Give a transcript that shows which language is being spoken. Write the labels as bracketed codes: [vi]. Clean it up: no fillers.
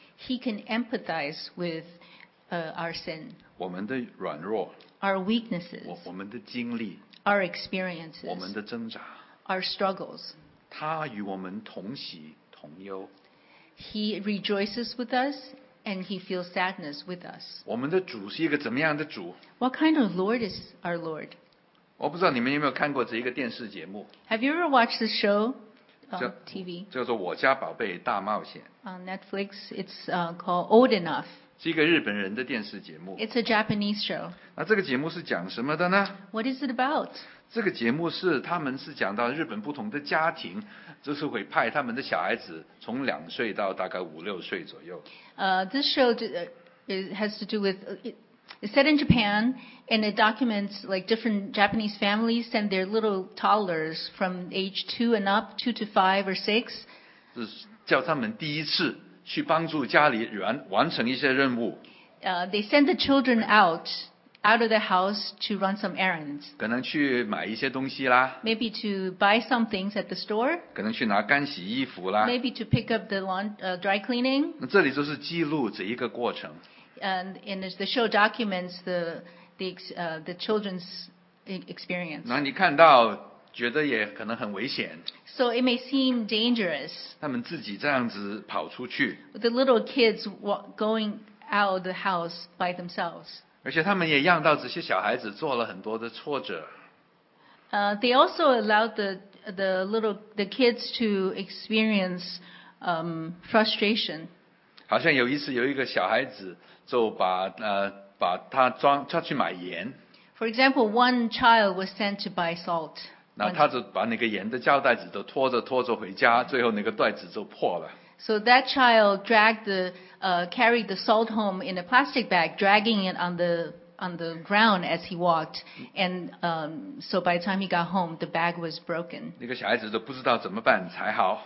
[en] He can empathize with our sin. [zh] 我们的软弱。 [en] Our weaknesses. [zh] 我们的经历。 [en] Our experiences. [zh] 我们的挣扎。 [en] Our struggles. [zh] 他与我们同喜同忧。 [en] He rejoices with us and he feels sadness with us. [zh] 我们的主是一个怎么样的主？ [en] What kind of Lord is our Lord? [zh] 我不知道你们有没有看过这一个电视节目。 [en] Have you ever watched this show? TV. [zh] 叫做我家宝贝大冒险。 [en] On Netflix, it's called Old Enough. [zh] 是一个日本人的电视节目。 [en] It's a Japanese show. [zh] 那这个节目是讲什么的呢？ [en] What is it about? [zh] 这个节目是他们是讲到日本不同的家庭，就是会派他们的小孩子从两岁到大概五六岁左右。 [en] This show has to do with it's set in Japan, and it documents like different Japanese families send their little toddlers from age 2 and up, 2 to 5 or 6. [zh] 是叫他们第一次去帮助家里人完成一些任务。 [en] They send the children out of the house to run some errands. [zh] 可能去买一些东西啦。 [en] Maybe to buy some things at the store. [zh] 可能去拿干洗衣服啦。 [en] Maybe to pick up the dry cleaning. [zh] 那这里就是记录这一个过程。 [en] And the show documents the children's experience. [zh] 那你看到觉得也可能很危险。 [en] So it may seem dangerous. [zh] 他们自己这样子跑出去。 [en] The little kids going out of the house by themselves. [zh] 而且他们也让到这些小孩子做了很多的挫折。 [en] They also allowed the kids to experience frustration. [zh] 好像有一次有一个小孩子。就把他装他去买盐。 [en] For example, one child was sent to buy salt. [zh] 那他就把那个盐的胶袋子都拖着拖着回家，最后那个袋子就破了。 [en] So that child dragged the, carried the salt home in a plastic bag, dragging it on the ground as he walked. And, so by the time he got home, the bag was broken. [zh] 那个小孩子都不知道怎么办才好。